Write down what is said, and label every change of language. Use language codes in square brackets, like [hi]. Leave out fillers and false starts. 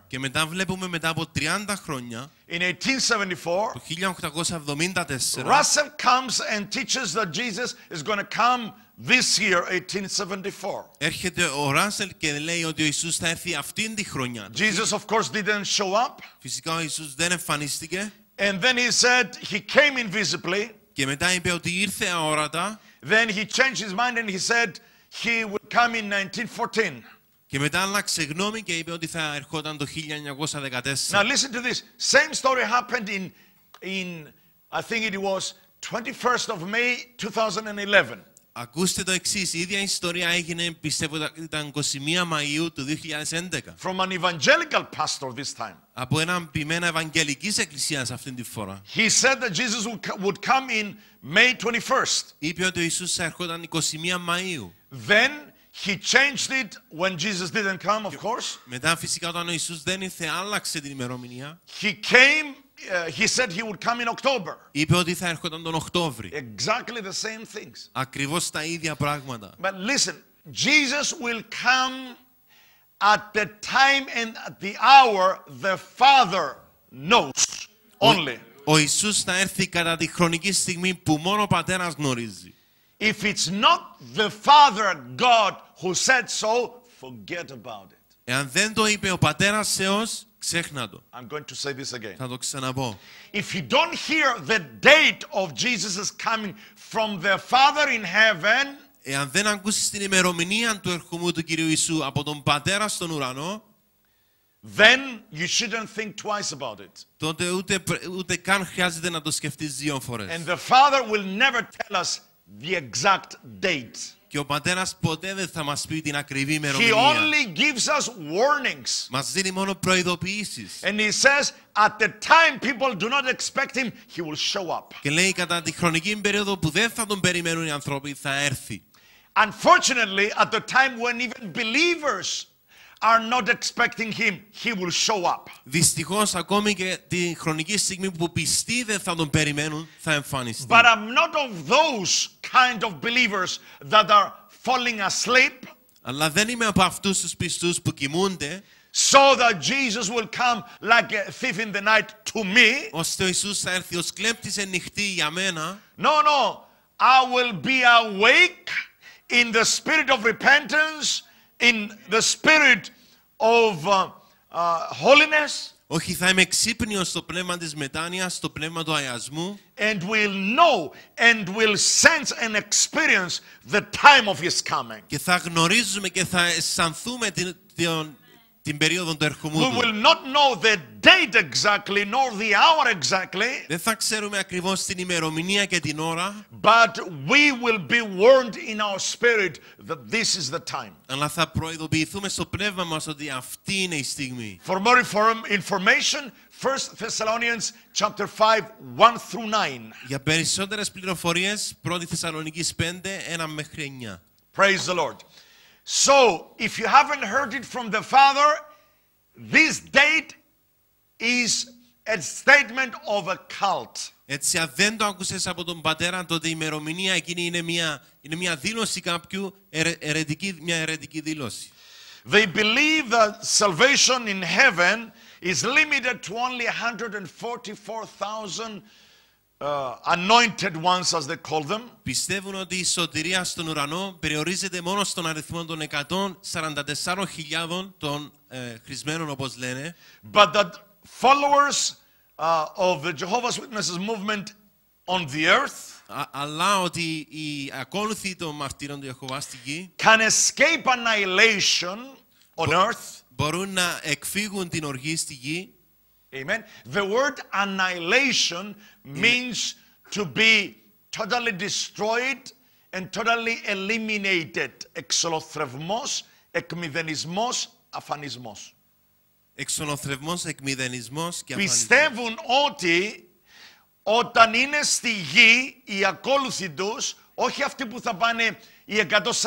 [el] Και μετά βλέπουμε μετά από 30 χρόνια. [en] In 1874. [el] Του 1874. [en] Russell comes and teaches that Jesus is going to come this year, 1874. [el] Έρχεται ο Ράσελ και λέει ότι ο Ιησούς θα έρθει αυτήν τη χρονιά. [en] Jesus, of course, didn't show up. [el] Φυσικά ο Ιησούς δεν εμφανίστηκε. [en] And then he said he came invisibly. [el] Και μετά είπε ότι ήρθε αόρατα. [en] Then he changed his mind and he said he would come in 1914. [el] Και μετά άλλαξε γνώμη και είπε ότι θα ερχόταν το 1914. [en] Now listen to this. Same story happened in I think it was 21st of May 2011. [el] Ακούστε το εξής, η ίδια ιστορία έγινε, πιστεύω ήταν 21 Μαΐου του 2011. [en] From an evangelical pastor this time. [el] Από έναν ποιμένα ευαγγελικής εκκλησίας αυτήν τη φορά. [en] He said that Jesus would come in May 21st. [el] Είπε ότι ο Ιησούς θα ερχόταν 21 Μαΐου. [en] Then he changed it when Jesus didn't come, of course. [el] Μετά φυσικά όταν ο Ιησούς δεν ήρθε, άλλαξε την ημερομηνία. [en] He came, he said he would come in October. [el] Είπε ότι θα έρχονταν τον Οκτώβρη. [en] Exactly the same things. [el] Ακριβώς τα ίδια πράγματα. [en] But listen, Jesus will come at the time and at the hour the Father knows only. [el] Ο Ιησούς θα έρθει κατά τη χρονική στιγμή που μόνο ο Πατέρας γνωρίζει. [en] If it's not the Father God who said so, forget about it. [el] Εάν δεν το είπε ο Πατέρας Θεός, ξέχνα το. [en] I'm going to say this again. [el] Θα το ξαναπώ. [en] If you don't hear the date of Jesus' coming from the Father in heaven, [el] εάν δεν ακούσεις την ημερομηνία του ερχομού του Κυρίου Ιησού από τον Πατέρα στον ουρανό, [en] then you shouldn't think twice about it. [el] Τότε ούτε καν χρειάζεται να το σκεφτείς δύο φορές. [en] And the Father will never tell us the exact date. [el] Και ο Πατέρας ποτέ δεν θα μας πει την ακριβή ημερομηνία. [en] He only gives us warnings. [el] Μας δίνει μόνο προειδοποιήσεις. [en] And he says, at the time people do not expect him, he will show up. [el] Και λέει κατά τη χρονική περίοδο που δεν θα τον περιμένουν οι άνθρωποι, θα έρθει. [en] Unfortunately, at the time when even believers are not expecting him, he will show up. [el] Δυστυχώς ακόμη και τη χρονική στιγμή που πιστοί δεν θα τον περιμένουν, θα εμφανιστεί. [en] But I'm not of those kind of believers that are falling asleep. [el] Αλλά δεν είμαι από αυτούς τους πιστούς που κοιμούνται. [en] So that Jesus will come like a thief in the night to me. [el] Ώστε ο Ιησούς θα έρθει ως κλέπτης εν νυχτή για μένα. [en] No, no. I will be awake in the spirit of repentance. In the spirit of holiness. [el] Όχι, θα είμαι ξύπνιος στο πνεύμα της μετάνοιας, στο πνεύμα του αγιασμού. [en] And will know and will sense and experience the time of his coming. [el] Και θα γνωρίζουμε και θα αισθανθούμε την περίοδο του ερχομού του. [en] We will not know the date exactly, nor the hour exactly. [el] Δεν θα ξέρουμε ακριβώς την ημερομηνία και την ώρα. [en] But we will be warned in our spirit that this is the time. [el] Αλλά θα προειδοποιηθούμε στο πνεύμα μας ότι αυτή είναι η στιγμή. [en] For more information, 1 Thessalonians chapter 5, 1 through 9. [el] Για περισσότερες πληροφορίες, 1 Θεσσαλονικής 5, 1 μέχρι 9. [en] Praise the Lord. So, if you haven't heard it from the Father, this date is a statement of a cult. [el] Έτσι, αν δεν το άκουσες από τον Πατέρα, τότε η ημερομηνία εκείνη είναι μια δήλωση κάποιου, μια αιρετική δήλωση. [en] They believe that salvation in heaven is limited to only 144,000 anointed ones, as they call them. [el] Πιστεύουν ότι η σωτηρία στον ουρανό περιορίζεται μόνο στον αριθμό των 144,000 των χρησμένων, όπως λένε. [en] But that followers of the Jehovah's Witnesses movement on the earth, [el] αλλά ότι οι ακόλουθοι των μαρτύρων του Ιεχωβά στη γη, [en] can escape annihilation on earth. [el] Μπορούν να εκφύγουν την οργή στη γη. [en] Amen. The word annihilation means to be totally destroyed and totally eliminated. [el] Εξολοθρευμός, εκμηδενισμός, αφανισμός. Εξολοθρευμός, εκμηδενισμός και αφανισμός. Πιστεύουν ότι όταν είναι στη γη οι ακόλουθοι τους, όχι αυτοί που θα πάνε, οι 144,000